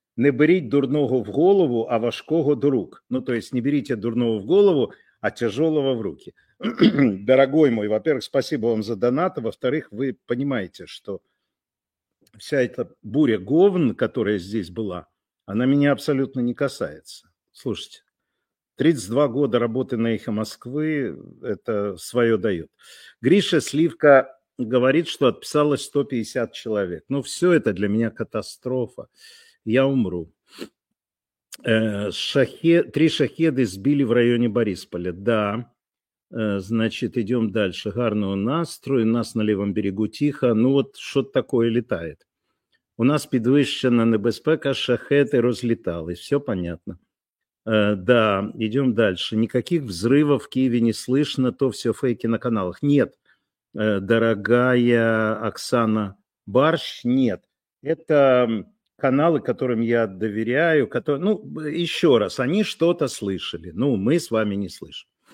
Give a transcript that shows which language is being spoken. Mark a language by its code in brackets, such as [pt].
[uk] Не беріть дурного в голову, а важкого до рук. [ru] Ну, то есть не берите дурного в голову, а тяжелого в руки. Дорогой мой, во-первых, спасибо вам за донат, во-вторых, вы понимаете, что вся эта буря говн, которая здесь была, она меня абсолютно не касается. Слушайте, 32 года работы на «Эхо Москвы» это свое дает. Гриша Сливка говорит, что отписалось 150 человек. Ну, все это для меня катастрофа. Я умру. Три шахеды сбили в районе Борисполя. Да, значит, идем дальше. [uk] Гарно у нас, [ru] строй, у нас на левом берегу тихо. Ну, вот что-то такое летает. [uk] У нас підвищена небезпека, шахеди розлітались. [ru] Все понятно. Да, идем дальше. Никаких взрывов в Киеве не слышно, то все фейки на каналах. Нет, дорогая Оксана Барщ, нет. Это каналы, которым я доверяю. Ну, еще раз, они что-то слышали. Ну, мы с вами не слышим.